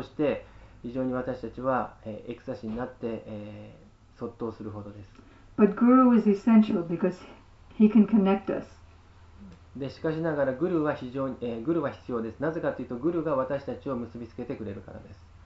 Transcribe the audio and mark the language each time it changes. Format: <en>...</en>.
<ja>そして非常に私たちはエクスタシーになって卒倒するほどです。</ja> <en>But guru is essential because he can connect us.</en> <ja>で、しかしながらグルは非常に、グルは必要です。なぜかというとグルが私たちを結びつけてくれるからです。</ja>